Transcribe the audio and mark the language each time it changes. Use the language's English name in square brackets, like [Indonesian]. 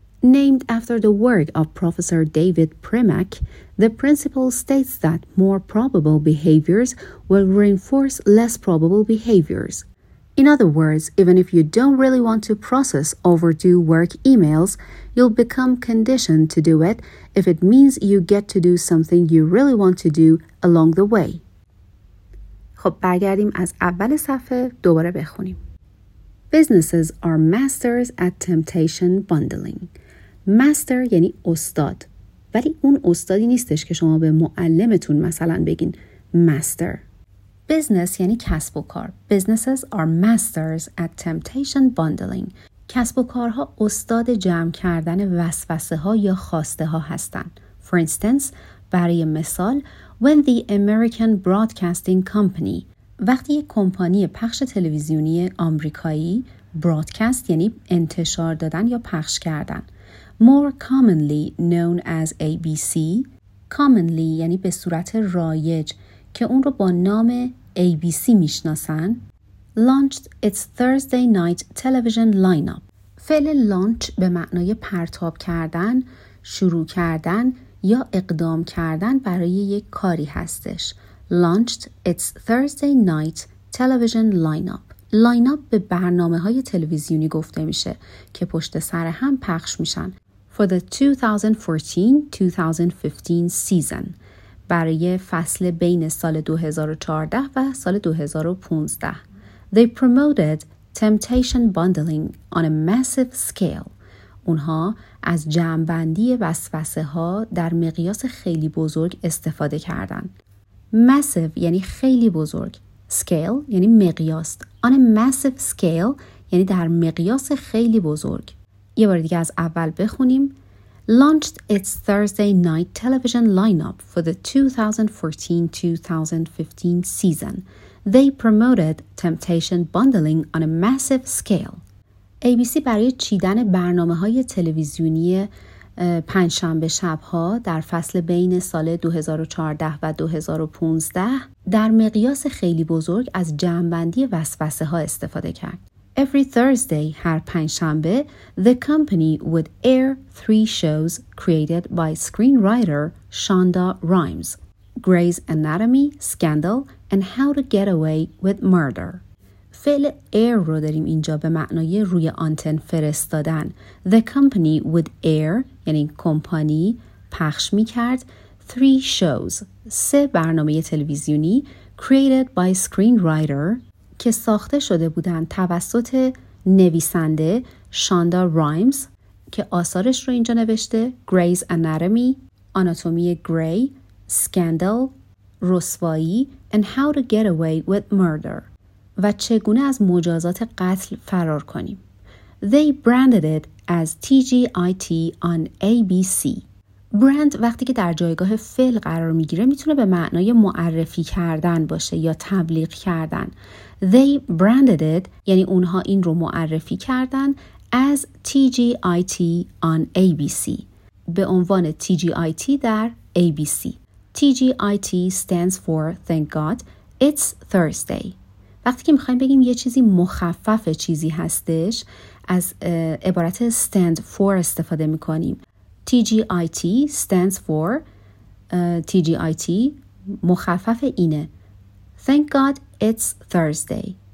[English] Named after the work of Professor David Primack, the principle states that more probable behaviors will reinforce less probable behaviors. In other words, even if you don't really want to process overdue work emails, you'll become conditioned to do it if it means you get to do something you really want to do along the way. [Persian] خب برگردیم از اول صفحه دوباره بخونیم. [English] Businesses are masters at temptation bundling. [Persian] Master یعنی استاد. ولی اون استادی نیستش که شما به معلمتون مثلا بگین master. Business یعنی کسب و کار. [English] Businesses are masters at temptation bundling. [Persian] کسب و کارها استاد جمع کردن وسوسه ها یا خواسته ها هستن. [English] For instance، [Persian] برای مثال، [English] When the American Broadcasting Company، [Persian] وقتی یک کمپانی پخش تلویزیونی آمریکایی، broadcast یعنی انتشار دادن یا پخش کردن، [English] more commonly known as ABC، [Persian] commonly یعنی به صورت رایج که اون رو با نام ABC میشناسن، [English] launched its Thursday night television lineup. [Persian] فعل launch به معنای پرتاب کردن، شروع کردن یا اقدام کردن برای یک کاری هستش. [English] Launched its Thursday night television lineup. [Persian] Lineup به برنامه‌های تلویزیونی گفته میشه که پشت سر هم پخش میشن. [English] For the 2014-2015 season. [Persian] برای فصل بین سال 2014 و سال 2015. [English] They promoted temptation bundling on a massive scale. [Persian] اونها از جمع‌بندی وسوسه ها در مقیاس خیلی بزرگ استفاده کردن. Massive یعنی خیلی بزرگ. Scale یعنی مقیاس. [English] On a massive scale [Persian] یعنی در مقیاس خیلی بزرگ. یه بار دیگه از اول بخونیم. [English] Launched its Thursday night television lineup for the 2014-2015 season. They promoted temptation bundling on a massive scale. ABC [Persian] برای چیدن برنامه‌های تلویزیونی پنج شنبه شبها در فصل بین سال 2014 و 2015 در مقیاس خیلی بزرگ از جمع‌بندی وسوسه ها استفاده کرد. [English] Every Thursday, [Persian] هر پنج شنبه, [English] the company would air three shows created by screenwriter Shonda Rhimes, Grey's Anatomy, Scandal, and How to Get Away with Murder. [Persian] فعل air رو داریم اینجا به معنای روی آنتن فرستادن. [English] The company would air, [Persian] یعنی کمپانی پخش می کرد, [English] three shows, [Persian] سه برنامه تلویزیونی, [English] created by screenwriter, [Persian] که ساخته شده بودن توسط نویسنده شاندا رایمز که آثارش رو اینجا نوشته Grey's Anatomy, آناتومی گری, سکندل, رسوایی [English] and How to Get Away with Murder [Persian] و چگونه از مجازات قتل فرار کنیم. [English] They branded it as TGIT on ABC. [Persian] برند وقتی که در جایگاه فعل قرار میگیره میتونه به معنای معرفی کردن باشه یا تبلیغ کردن. [English] They branded it [Persian] یعنی اونها این رو معرفی کردن [English] as TGIT on ABC [Persian] به عنوان TGIT در ABC. [English] TGIT stands for Thank God It's Thursday. [Persian] وقتی که میخواییم بگیم یه چیزی مخفف چیزی هستش از عبارت stand for استفاده میکنیم. [English] TGIT stands for TGIT [Persian] مخفف اینه [English] Thank God it's Thursday.